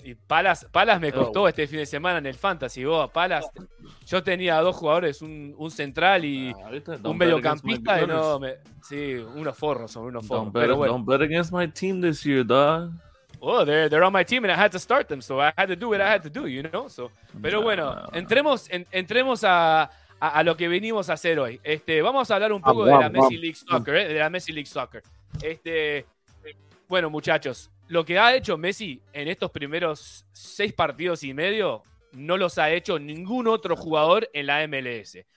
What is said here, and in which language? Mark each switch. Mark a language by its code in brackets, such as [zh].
[es] Y Palas me costó este fin de semana en el Fantasy. Palas. Yo tenía dos jugadores, un central y un mediocampista. Y no, sí, unos forros, son unos forros. [en] Don't bet, [es] pero bueno. [en] Don't bet against my team this year, dog. Oh, they're on my team and I had to start them, so I had to do what I had to do, you know? [es] So, pero bueno, entremos a lo que venimos a hacer hoy. Vamos a hablar un poco de la Messi League Soccer, de la Messi League Soccer. Bueno, muchachos, lo que ha hecho Messi en estos primeros 6 partidos y medio no los ha hecho ningún otro jugador en la MLS.